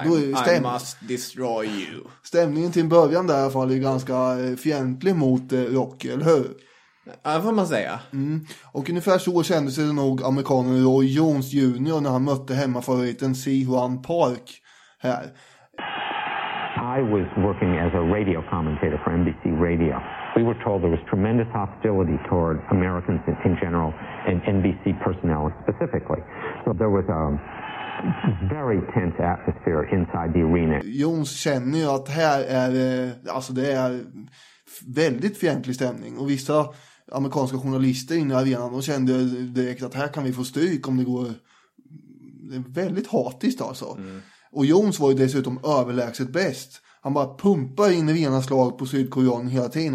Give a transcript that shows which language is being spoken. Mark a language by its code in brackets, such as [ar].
[sv] Då är [en] I must destroy you. [sv] Stämningen till början där i alla fall är ganska fientlig mot Rocky, eller hur? Ja, får man säga. Mm. Och ungefär så kände sig det nog amerikanen Roy Jones Jr. när han mötte hemmafavoriten Si-Hwan Park här. [en] I was working as a radio commentator for NBC Radio. We were told there was tremendous hostility toward Americans in general and NBC personnel specifically. So there was a very tense atmosphere inside the arena. [sv] Jones känner ju att här är, alltså det är väldigt fientlig stämning. Och vissa amerikanska journalister inne i arenan, de kände direkt att här kan vi få stryk om det går väldigt hatiskt alltså. Mm. Och Jones var ju dessutom överlägset bäst. Han bara pumpar in i rena slag på sydkoreanen hela tiden.